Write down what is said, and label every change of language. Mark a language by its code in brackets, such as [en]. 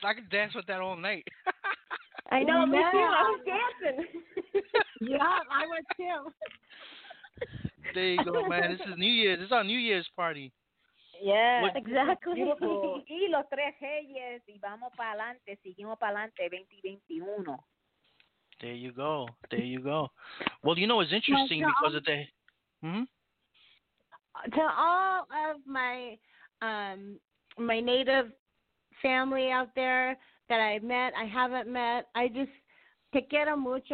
[en] Dance with that all night. I know, man. Me too. I was dancing. Yeah, I was too. There you go, man. This is New Year's. This is our New Year's party. Yeah, exactly. [es] Y los tres reyes, y vamos para adelante, seguimos para adelante, 2021. [en] There you go. There you go. Well, you know, it's interesting because of the. To all of my my native family out there that I've met, I haven't met, I just [es] te quiero mucho.